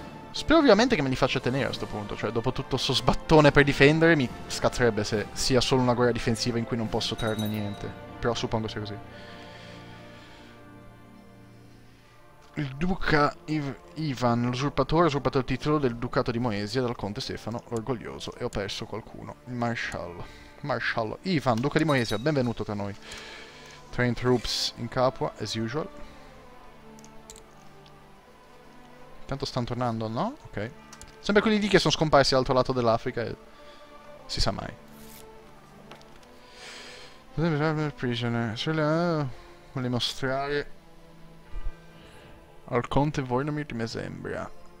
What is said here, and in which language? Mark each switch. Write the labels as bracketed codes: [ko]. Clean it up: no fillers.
[it] Spero ovviamente che me li faccia tenere a sto punto. Cioè, dopo tutto sto sbattone per difendere, mi scazzerebbe se sia solo una guerra difensiva in cui non posso trarne niente. Però suppongo sia così. Il duca Ivan, l'usurpatore, ha usurpato il titolo del ducato di Moesia dal conte Stefano, l'orgoglioso, e ho perso qualcuno. Il maresciallo. Maresciallo Ivan, duca di Moesia, benvenuto tra noi. [en] Train troops in Capua, as usual. [it] Intanto stanno tornando, no? Ok. Sempre quelli lì che sono scomparsi dall'altro lato dell'Africa e... si sa mai. Prisoner. Vuole mostrare... al conte Vornomir di Mesembria.